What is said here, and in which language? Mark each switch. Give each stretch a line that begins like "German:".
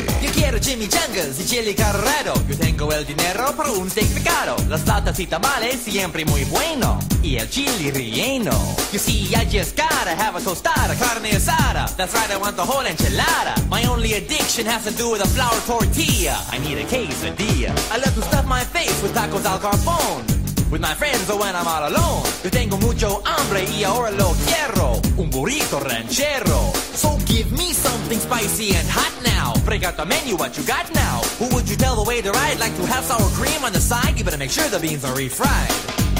Spanish: Yo quiero Jimmy Jungles y Chili Carrero. Yo tengo el dinero para un steak de caro. La salsa si tamales siempre muy bueno. Y el chili relleno.
English: You see, I just gotta have a tostada, carne asada. That's right, I want the whole enchilada. My only addiction has to do with a flour tortilla. I need a quesadilla. I love to stuff my face with tacos al carbón. With my friends or when I'm all alone.
Spanish: Yo tengo mucho hambre y ahora lo quiero. Un burrito ranchero.
English: So give me something spicy and hot now. Break out the menu, what you got now? Who would you tell the waiter I'd like to have sour cream on the side? You better make sure the beans are refried.